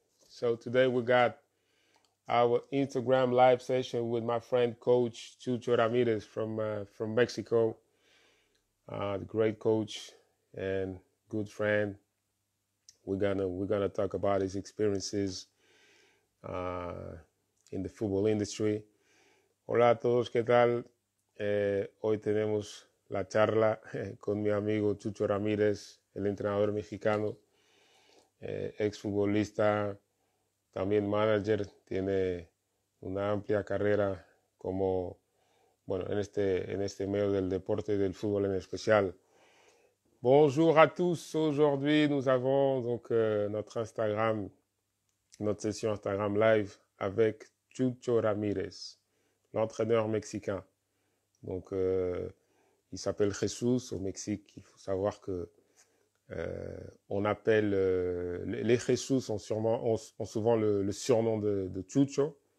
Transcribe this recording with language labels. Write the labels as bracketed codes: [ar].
[en] So today we got our Instagram live session with my friend Coach Chucho Ramirez from Mexico, the great coach and good friend. We're gonna talk about his experiences in the football industry. [es] Hola a todos, ¿qué tal? Hoy tenemos la charla con mi amigo Chucho Ramirez, el entrenador mexicano. Exfutbolista, también manager, tiene una amplia carrera como, bueno, en este medio del deporte, del fútbol en especial. [fr] Bonjour à tous, aujourd'hui nous avons donc notre Instagram, notre session Instagram live avec Chucho Ramirez, l'entraîneur mexicain. Donc, il s'appelle Jesús au Mexique, il faut savoir que on appelle les Jesús ont souvent le surnom de Chucho.